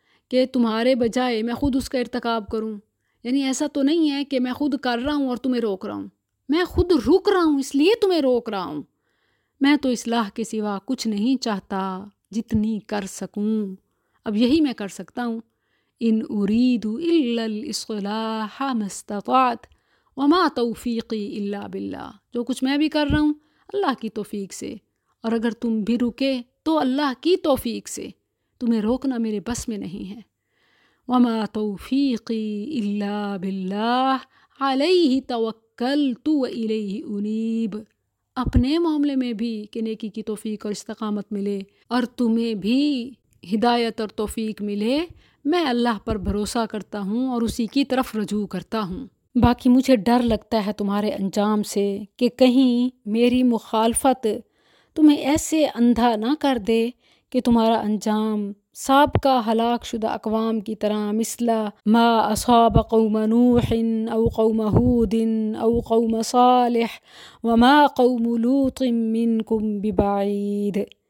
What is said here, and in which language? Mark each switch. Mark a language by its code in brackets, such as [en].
[ur] کہ تمہارے بجائے میں خود اس کا ارتکاب کروں، یعنی ایسا تو نہیں ہے کہ میں خود کر رہا ہوں اور تمہیں روک رہا ہوں، میں خود رک رہا ہوں اس لیے تمہیں روک رہا ہوں، میں تو اصلاح کے سوا کچھ نہیں چاہتا جتنی کر سکوں، اب یہی میں کر سکتا ہوں. [ar] ان اريد الا الاصلاح ما استطعت وما توفيقي الا بالله. [ur] جو کچھ میں بھی کر رہا ہوں اللہ کی توفیق سے، اور اگر تم بھی رکے تو اللہ کی توفیق سے، تمہیں روکنا میرے بس میں نہیں ہے. [ar] وما توفيقي الا بالله عليه توكلت واليه انيب. [ur] اپنے معاملے میں بھی کہ نیکی کی توفیق اور استقامت ملے، اور تمہیں بھی ہدایت اور توفیق ملے، میں اللہ پر بھروسہ کرتا ہوں اور اسی کی طرف رجوع کرتا ہوں. باقی مجھے ڈر لگتا ہے تمہارے انجام سے کہ کہیں میری مخالفت تمہیں ایسے اندھا نہ کر دے کہ تمہارا انجام سابقہ ہلاک شدہ اقوام کی طرح مثلا [ar] ما اصاب قوم نوح او قوم ہود او قوم صالح وما قوم لوط منکم ببعید.